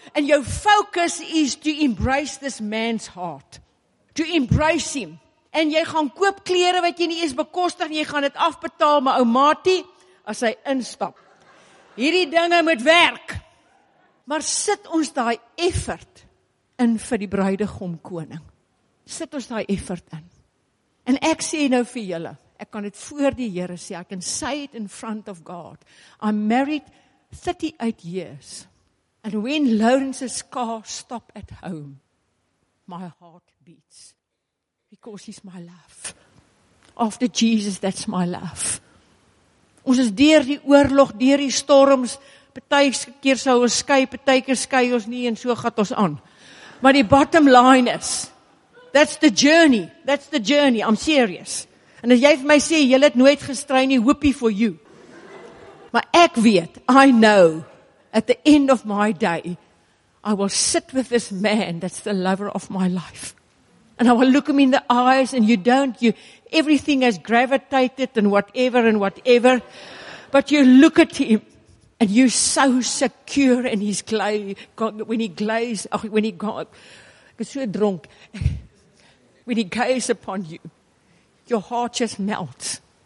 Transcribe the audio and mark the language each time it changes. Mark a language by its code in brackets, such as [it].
[en] And your focus is to embrace this man's heart. To embrace him. [af] En jy gaan koop klere wat jy nie eens bekostig nie, jy gaan dit afbetaal, maar ou Matie, as hy instap. Hierdie dinge moet werk. Maar sit ons daai effort in vir die bruidegom koning. Sit ons daai effort in. En ek sê nou vir julle, ek kan dit voor die Here sê, [en] I can say it in front of God. I'm married 38 years. And when Lawrence's car stop at home, my heart beats. Because he's my love. After Jesus, that's my love. [af] Ons is deur die oorlog, deur die storms, partykeer sou ons skei, partykeer skei ons nie en so gaan ons aan. Maar die [en] bottom line is, that's the journey. That's the journey. I'm serious. [af] En as jy vir my sê, jy het nooit gestry nie, hoopie [en] for you. [af] Maar ek weet, [en] I know, at the end of my day, I will sit with this man that's the lover of my life. And I will look him in the eyes and you don't, you, everything has gravitated and whatever, but you look at him and you're so secure in his glaze, when he glaze, oh, when he got, I'm so drunk, when he gaze upon you, your heart just melts.